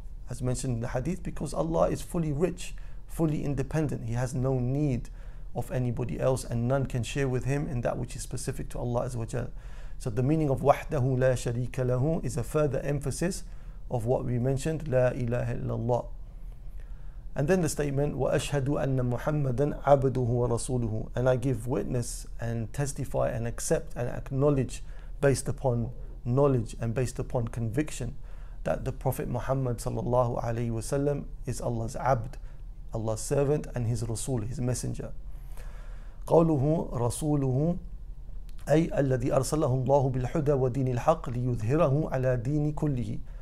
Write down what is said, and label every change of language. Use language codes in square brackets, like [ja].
[en] As mentioned in the Hadith, because Allah is fully rich, fully independent. He has no need of anybody else and none can share with Him in that which is specific to Allah Azza wa Jal. So the meaning of [ar] وَحْدَهُ لَا شَرِيكَ لَهُ [en] is a further emphasis of what we mentioned, [ar] لَا إِلَهَ إِلَّا اللَّهُ. [en] And then the statement, [ar] وَأَشْهَدُ أَنَّ مُحَمَّدًا عَبْدُهُ وَرَسُولُهُ. [en] And I give witness and testify and accept and acknowledge based upon knowledge and based upon conviction that the Prophet Muhammad sallallahu alayhi wasallam is Allah's abd, Allah's servant, and his rasul, his messenger. [ar] قَوْلُهُ رَسُولُهُ أَيْ أَلَّذِي أَرْسَلَهُ اللَّهُ بِالْحُدَى وَدِينِ الْحَقِّ لِيُذْهِرَهُ عَلَى دِينِ كُلِّهِ.